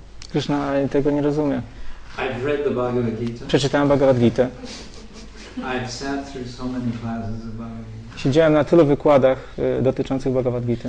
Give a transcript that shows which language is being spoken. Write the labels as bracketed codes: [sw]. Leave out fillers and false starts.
[pl] Krishna, ja tego nie rozumiem. [en] I've read the Bhagavad Gita. [pl] Przeczytałem Bhagavad Gita. [en] I've sat through so many classes of Bhagavad Gita. [pl] Siedziałem na tylu wykładach dotyczących Bhagavad Gita.